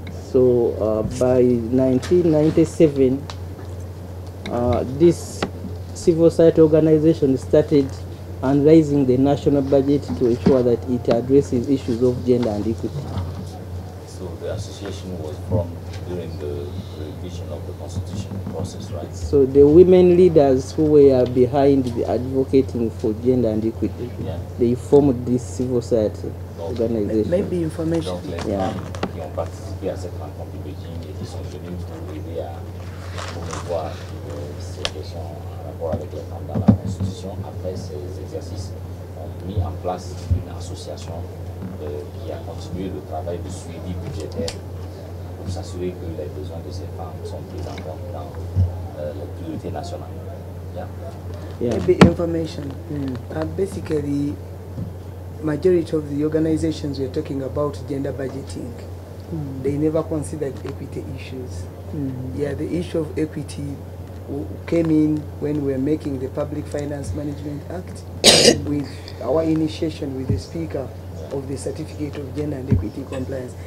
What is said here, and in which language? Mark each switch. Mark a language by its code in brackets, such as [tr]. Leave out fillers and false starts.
[en] So by 1997, this civil society organization started raising the national budget to ensure that it addresses issues of gender and equity. So the association was formed during the revision of the constitution process, right? So the women leaders who were behind the advocating for gender and equity, yeah, they formed this civil society organization. Maybe information. [fr] Donc, yeah. Qui ont participé à cette rencontre de Beijing et qui sont venus pour aider à promouvoir ces questions en rapport avec les femmes dans la constitution, après ces exercices, ont mis en place une association qui a continué le travail de suivi budgétaire pour s'assurer que les besoins de ces femmes sont pris en compte dans la priorité nationale. [en] Yeah. Yeah. Maybe information. Mm. Basically, majority of the organizations we are talking about gender budgeting. Mm. They never considered equity issues. Mm. Yeah, the issue of equity came in when we were making the Public Finance Management Act with our initiation with the speaker of the Certificate of Gender and Equity Compliance.